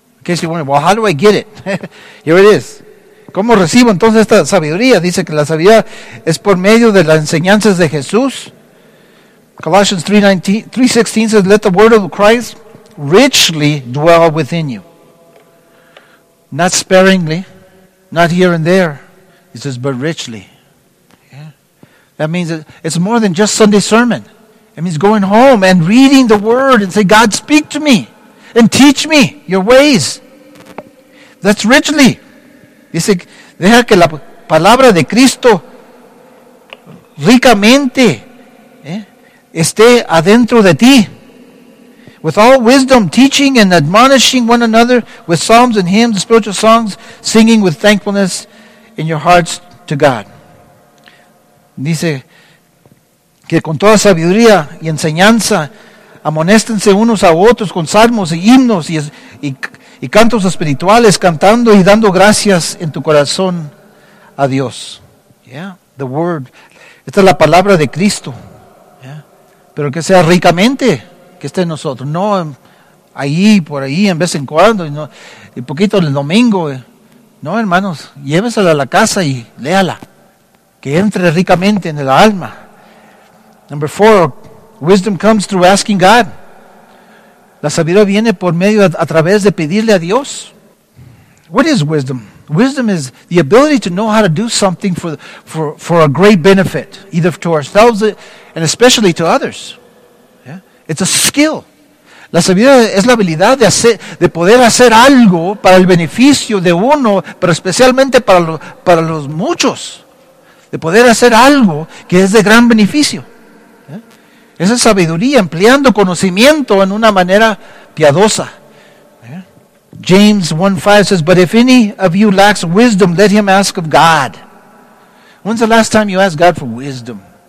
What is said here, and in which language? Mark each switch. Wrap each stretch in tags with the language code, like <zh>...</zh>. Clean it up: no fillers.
<en>In case you're wondering, well, how do I get it? Here it is.</en> <es>¿Cómo recibo entonces esta sabiduría? Dice que la sabiduría es por medio de las enseñanzas de Jesús.</es> <en>Colossians 3:16 says, let the word of Christ richly dwell within you. Not sparingly, not here and there. It says, but richly. Yeah. That means it's more than just Sunday sermon. It means going home and reading the word and say, God, speak to me and teach me your ways. That's richly.</en> <es>Dice, deja que la palabra de Cristo ricamente esté adentro de ti.</es> <en>With all wisdom, teaching and admonishing one another with psalms and hymns, spiritual songs, singing with thankfulness in your hearts to God.</en> <es>Dice, que con toda sabiduría y enseñanza, amonéstense unos a otros con salmos y himnos y cantos espirituales, cantando y dando gracias en tu corazón a Dios.</es> <en>Yeah, the word.</en> <es>Esta es la palabra de Cristo. Yeah. Pero que sea ricamente que esté en nosotros. No ahí, por ahí, en vez en cuando. Y, no, y poquito el domingo. No, hermanos, llévesela a la casa y léala. Que entre ricamente en el alma.</es> <en>Number four, wisdom comes through asking God.</en> <es>La sabiduría viene por medio a través de pedirle a Dios.</es> <en>What is wisdom? Wisdom is the ability to know how to do something for a great benefit, either to ourselves and especially to others. Yeah? It's a skill.</en> <es>La sabiduría es la habilidad de poder hacer algo para el beneficio de uno, pero especialmente para los muchos. De poder hacer algo que es de gran beneficio. Esa es sabiduría, empleando conocimiento en una manera piadosa.</es> <en>Yeah. James 1:5 says, but if any of you lacks wisdom, let him ask of God. When's the last time you asked God for wisdom?</en>